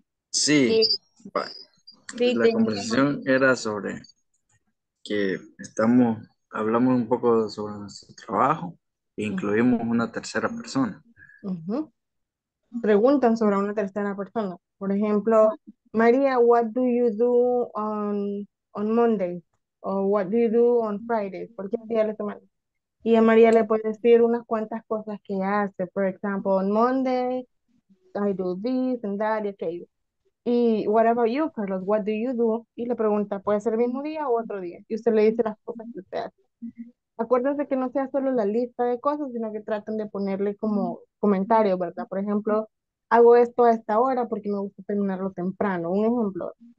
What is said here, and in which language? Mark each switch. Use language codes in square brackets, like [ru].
[es] Sí, la conversación era sobre que hablamos un poco sobre nuestro trabajo e incluimos una tercera persona. Preguntan sobre una tercera persona. Por ejemplo, María, [en] what do you do on Monday? [es] O [en] what do you do on Friday? [es] ¿Por qué día de la semana? Y a María le puede decir unas cuantas cosas que hace. [en] For example, on Monday, I do this and that, okay. Y what about you, Carlos? What do you do? [es] Y le pregunta, ¿puede ser el mismo día o otro día? Y usted le dice las cosas que usted hace. Acuérdense que no sea solo la lista de cosas, sino que traten de ponerle como comentario, ¿verdad? Por ejemplo, hago esto a esta hora porque me gusta terminarlo temprano. Un ejemplo.